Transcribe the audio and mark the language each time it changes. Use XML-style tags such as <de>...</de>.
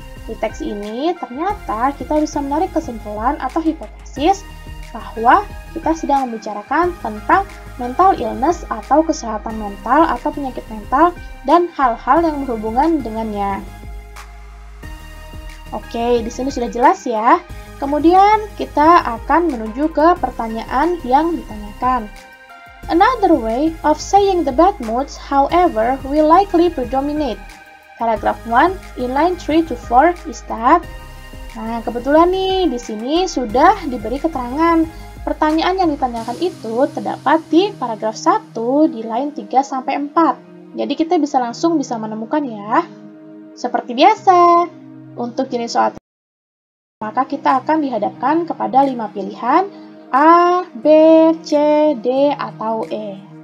<id>Di teks ini, ternyata kita bisa menarik kesimpulan atau hipotesis bahwa kita sedang membicarakan tentang mental illness atau kesehatan mental atau penyakit mental dan hal-hal yang berhubungan dengannya. Oke, di sini sudah jelas ya. Kemudian, kita akan menuju ke pertanyaan yang ditanyakan.</id> <en>Another way of saying the bad moods, however, will likely predominate. Paragraph 1 in line 3 to 4 is that.</en> <id>Nah, kebetulan nih di sini sudah diberi keterangan. Pertanyaan yang ditanyakan itu terdapat di paragraf 1 di line 3 sampai 4. Jadi kita bisa langsung bisa menemukan ya. Seperti biasa, untuk jenis soal maka kita akan dihadapkan kepada 5 pilihan A, B, C, D atau E.</id>